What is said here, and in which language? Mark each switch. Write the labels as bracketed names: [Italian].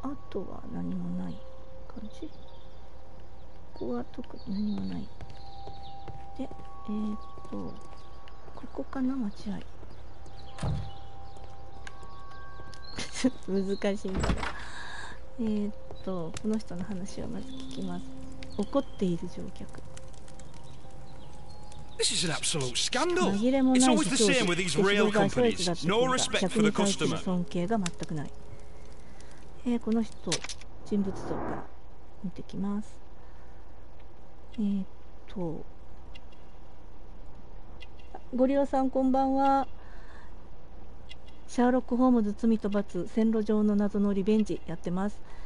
[Japanese] あとは何もない感じ。ここは特に何もない。で、ここかな、間違い。ちょっと難しいから。この人の話をまず聞きます。怒っている乗客。 [English] This is an absolute scandal. It's always the same with these rail companies. No respect for the customer. [Japanese] 尊敬が全くない。この人、人物像から見ていきます。ゴリオさん、こんばんは。シャーロック・ホームズ罪と罰、線路上の謎のリベンジやってます。